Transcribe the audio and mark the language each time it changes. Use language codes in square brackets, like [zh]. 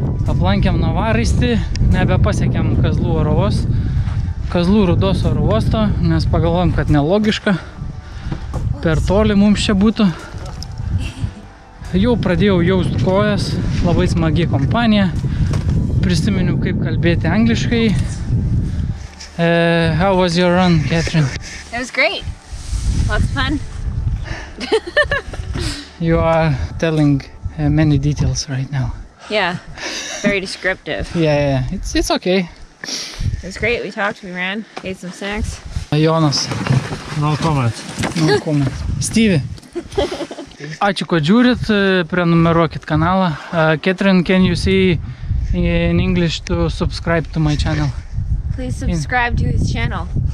[lt] Aplankėm Novaraistį, nebepasiekėm Kazlų Rūdos oro uosto, nes pagalvojom, kad nelogiška. Per toli mums čia būtų. Jau pradėjau jaust kojas, labai smagi kompanija. Prisiminiau, kaip kalbėti angliškai. [en] How was your run, Katherine? It was great. Lots of fun. You are telling many details right now. Yeah, very descriptive. yeah, it's okay. It's great, we talked, we ran, ate some snacks. Jonas. No comment. Steve. [lt] Ačiū, kad žiūrit, prenumeruokit kanalą. [en] Katherine, can you say in English to subscribe to my channel? Please subscribe to his channel.